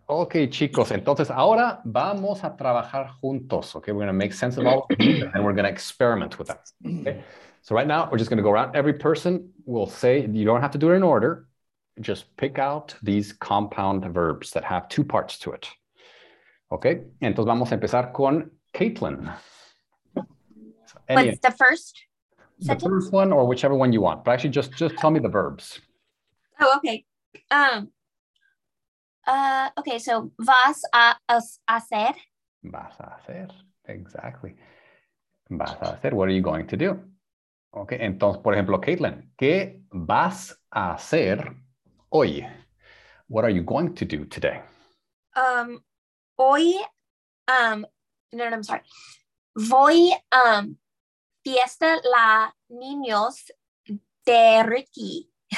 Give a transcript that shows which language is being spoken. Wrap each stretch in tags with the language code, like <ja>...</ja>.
<es>Okay, chicos, entonces ahora vamos a trabajar juntos.</es> <en>Okay, we're going to make sense of all and we're going to experiment with that. Okay, so right now we're just going to go around. Every person will say, you don't have to do it in order. Just pick out these compound verbs that have two parts to it.</en> <es>Okay, entonces vamos a empezar con Caitlin.</es> <en>What's the first? The first one or whichever one you want, but actually just tell me the verbs. Oh, okay. Okay, so</en> <es>vas a hacer. Vas a hacer,</es> <en>exactly.</en> <es>Vas a hacer,</es> <en>what are you going to do?</en> <es>Okay, entonces, por ejemplo, Caitlin, ¿qué vas a hacer hoy?</es> <en>What are you going to do today?</en> <es>Voy fiesta la niños de Ricky.</es>